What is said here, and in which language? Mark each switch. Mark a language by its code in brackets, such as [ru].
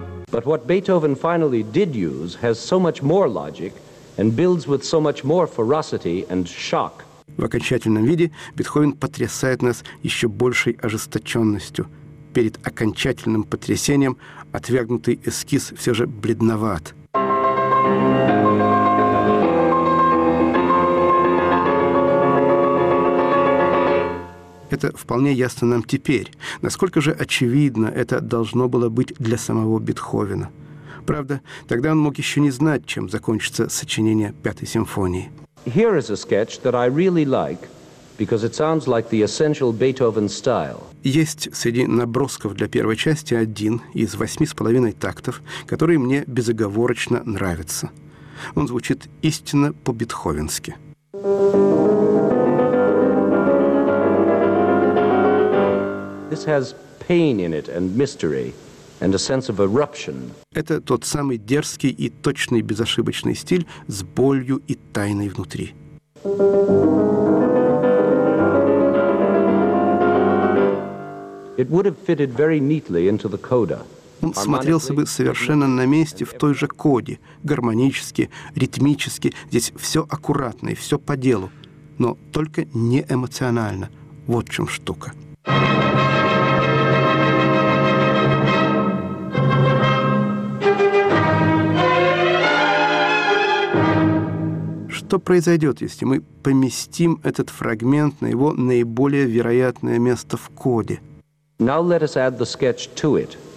[en] But what Beethoven finally did use has so much more logic and builds with so much more ferocity and shock. [ru] В окончательном виде Бетховен потрясает нас еще большей ожесточенностью. Перед окончательным потрясением отвергнутый эскиз все же бледноват. Это вполне ясно нам теперь. Насколько же очевидно это должно было быть для самого Бетховена? Правда, тогда он мог еще не знать, чем закончится сочинение Пятой симфонии. [en] Here is a sketch that I really like, because it sounds like the essential Beethoven style. [ru] Есть среди набросков для первой части один из 8,5 тактов, который мне безоговорочно нравится. Он звучит истинно по-бетховенски. [en] This has pain in it and mystery. And a sense of eruption. [ru] Это тот самый дерзкий и точный безошибочный стиль с болью и тайной внутри. [en] It would have fitted very neatly into the coda. [ru] Он смотрелся бы совершенно на месте в той же коде, гармонически, ритмически. Здесь все аккуратно и все по делу, но только не эмоционально. Вот в чем штука. Что произойдет, если мы поместим этот фрагмент на его наиболее вероятное место в коде? [en] Now let us add the sketch to it.